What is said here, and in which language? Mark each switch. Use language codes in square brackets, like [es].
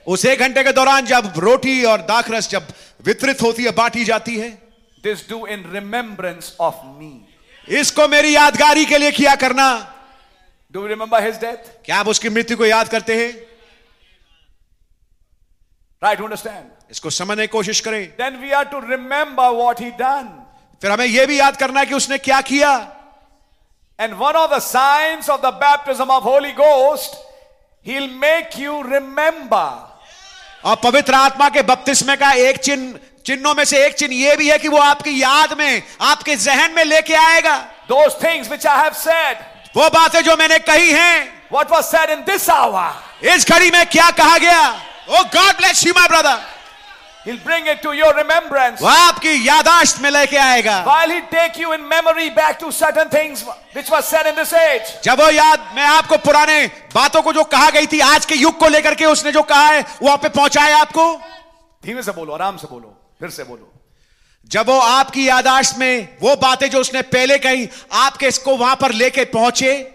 [hi] उस एक घंटे के दौरान जब रोटी और दाखरस जब वितरित होती है, बांटी जाती है. [en] This do in remembrance of me. [hi] इसको मेरी यादगारी के लिए किया करना. [en] Do we remember his death? [hi] क्या आप उसकी मृत्यु को याद करते हैं? [en] Right, understand. [hi] इसको समझने की कोशिश करें. [en] Then we are to remember what he done. [hi] फिर हमें यह भी याद करना है कि उसने क्या किया. [en] And one of the signs of the baptism of Holy Ghost, he'll make you remember. [hi] और पवित्र आत्मा के बपतिस्मे का एक चिन्हों में से एक चिन्ह यह भी है कि वो आपकी याद में, आपके जहन में लेके आएगा. [en] Those things which I have said. [hi] वो बातें जो मैंने कही हैं. [en] What was said in this hour? [hi] इस घड़ी में क्या कहा गया? [en] Oh God bless you my brother. He'll bring it to your remembrance. [hi] वो आपकी यादाश्त में लेके आएगा. [en] While he take you in memory back to certain things which was said in this age. [hi] जब वो याद मैं आपको पुराने बातों को जो कहा गई थी आज के युग को लेकर के उसने जो कहा है वो आप पे पहुंचाए आपको. धीमे से बोलो, आराम से बोलो, फिर से बोलो. जब वो आपकी यादाश्त में वो बातें जो उसने पहले कही आपके इसको वहां पर लेके पहुंचे.